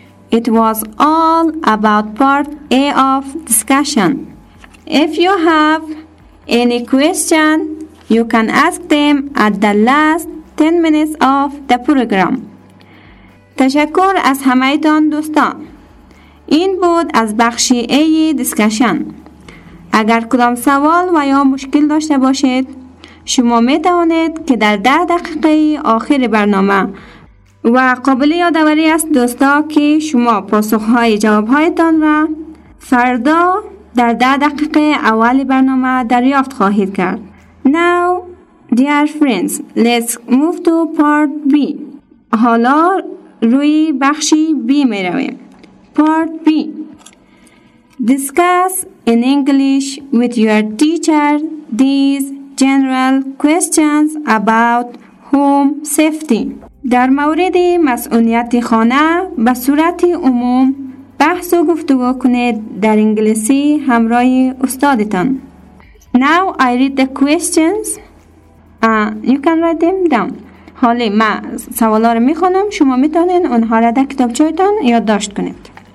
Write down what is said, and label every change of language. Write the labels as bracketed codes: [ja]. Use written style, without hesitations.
[en] It was all about part A of discussion. If you have any question, you can ask them at the last 10 minutes of the program. [fa] تشکر از همه تان دوستان. این بود از بخش A discussion. اگر کدام سوال و یا مشکل داشته باشید, شما می توانید که در 10 دقیقه آخر برنامه و قابل یادآوری است دوستا که شما پاسخهای جوابهایتان را فردا در 10 دقیقه اول برنامه دریافت خواهید کرد. [en] Now, dear friends, let's move to part B. [fa] حالا روی بخشی B می رویم. Part B. [en] Discuss in English with your teacher these general questions about home safety. [fa] در مورد مسئولیت خانه به صورت عموم بحث و گفتگو کنید در انگلیسی همراه استادتان. [en] Now I read the questions. You can write them down. [fa] حالا من سوالا رو میخونم, شما میتونید اونها را در کتابچه‌تون یادداشت کنید.